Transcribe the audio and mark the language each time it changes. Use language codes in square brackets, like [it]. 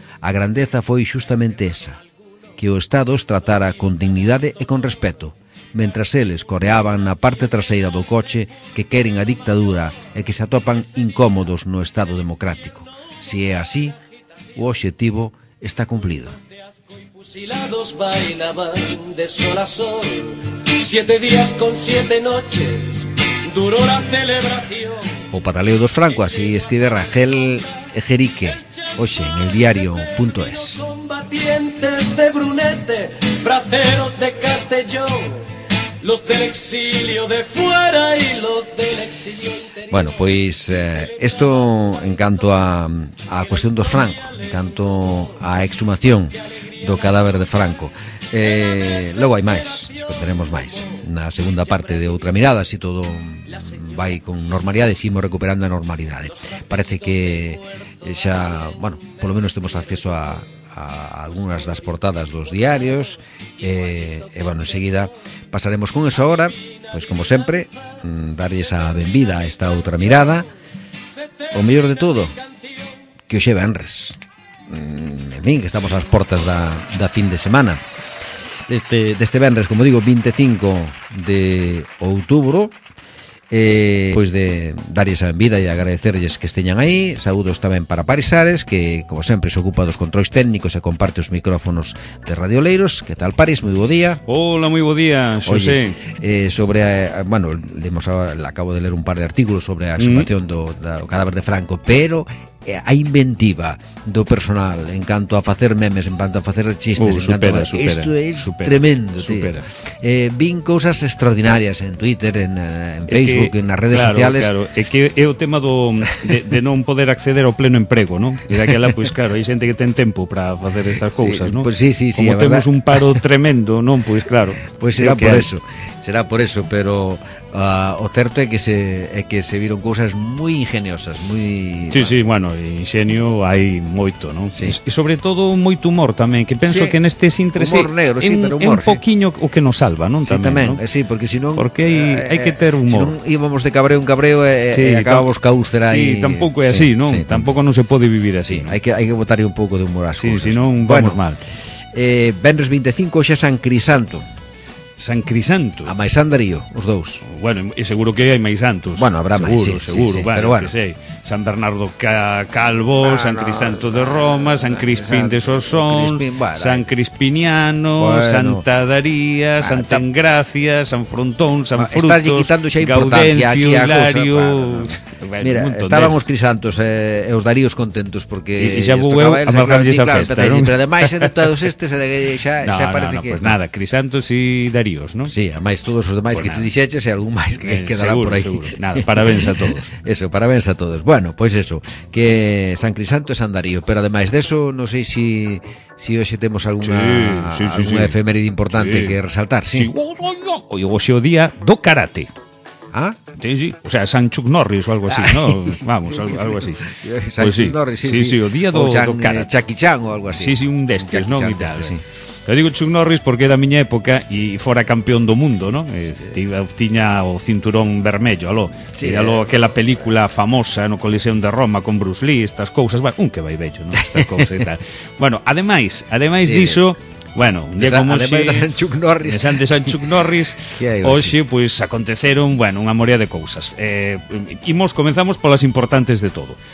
[gl] A grandeza foi xustamente esa, que o Estado os tratara con dignidade e con respeto, mentras eles coreaban na parte traseira do coche que queren a dictadura e que se atopan incómodos no Estado democrático. Si é así, o obxectivo está cumplido. [es] Fusilados bailaban de sol a sol, siete días con siete noches duró la celebración. [gl] O pataleo dos Franco, así escribe Rangel Ejerique, hoxe en el diario.es. [es] Combatientes de Brunete, braceros de Castellón, los del exilio de fuera y los del exilio interior. [gl] Bueno, pois esto en canto a cuestión dos Franco, en canto a exhumación do cadáver de Franco. Logo hai máis, contaremos máis na segunda parte de Outra Mirada, si todo vai con normalidade, seguimos recuperando a normalidade. Parece que xa, bueno, polo menos temos acceso a algunhas das portadas dos diarios, e bueno, enseguida pasaremos con eso agora, pois como sempre, darlles a benvida a esta Outra Mirada. O mellor de todo, que hoxe venres. En fin, que estamos ás portas da fin de semana. Deste venres, como digo, 25 de outubro, pois de darlles a benvida e agradecerlles que esteñan aí. Saúdos tamén para Paris Ares, que como sempre se ocupa dos controis técnicos e comparte os micrófonos de Radio Leiros. Que tal, Paris? Moi bo día. Hola, moi bo día, Xosé. Oye, sobre, bueno, acabo de ler un par de artículos sobre a exhumación do cadáver de Franco, pero a inventiva do personal en canto a facer memes, en canto a facer chistes, supera, tremendo. Vin cousas extraordinarias en Twitter, en Facebook, que, en as redes sociales. Claro, é que é o tema de non poder acceder ao pleno emprego, ¿no? E daquela, pois claro, hai xente que ten tempo para facer estas cousas, sí, ¿no? Pues, sí, como temos un paro tremendo, non? Pois claro. Pois será por eso. Será por eso, pero o certo é que se viron cousas moi ingeniosas, moi... Sí, sí, bueno, ingenio hai moito, non? Sí. E sobre todo moito humor tamén, que penso que neste síntese humor negro, sí, pero humor, é un poquinho o que nos salva, non? Sí, tamén ¿no? Sí, porque senón... Porque hai que ter humor. Senón íbamos de cabreo en cabreo e acabamos caúcera. Sí, tampouco é así, non? Sí, tampouco non se pode vivir así. Sí, hai que botar un pouco de humor as cousas. Sí, senón vamos bueno, mal. Vendres 25, xa San Crisanto. San Crisanto. A máis Andarío, os dous. Bueno, e seguro que hai máis santos. Bueno, habrá máis, seguro, sí, seguro, sí, vale, pero bueno, que sei. San Bernardo Calvo, bueno, San Crisanto de Roma, San Crispín de Sosón, bueno, San Crispiniano, bueno, Santa Daría, bueno, Santa Engracia, San Frontón, San Frutos, estás quitando xa importancia aquí a Hilario, cosa. Bueno, mira, estaban os Crisantos e os Daríos contentos porque e xa vou eu a marcarlle esa festa, claro, pero ademais entre todos estes xa parece que... [es] No, pues nada, [gl] Crisantos e Daríos, ¿no? Sí, ademais todos os demais que te dixeches e algún máis que quedará por aí. Nada, parabéns a todos. Eso, parabéns a todos. Bueno, pois eso, que San Crisanto e San Darío, pero ademais deso, non sei se hoxe temos alguna efeméride importante que resaltar, sí. Oi, hoxe o día do karate. Ah? Sí. O sea, San Chuck Norris ou algo así, ¿no? Vamos, algo así. San Chuck Norris, sí. O día do karate. O Jackie Chan ou algo así. Sí, sí, un destes, non? Te digo Chuck Norris porque era a miña época e fora campeón do mundo, ¿no? Tiña o cinturón vermello, aló. Sí, e aló aquela película famosa no Coliseum de Roma con Bruce Lee, estas cousas, bueno, que vai vello, ¿no? Estas cousas e tal. Bueno, ademais diso, bueno, un día como hoxe, ademais de San Chuck Norris. Xa de San Chuck Norris, hoxe pois aconteceron, bueno, unha morea de cousas. Comenzamos polas importantes de todo.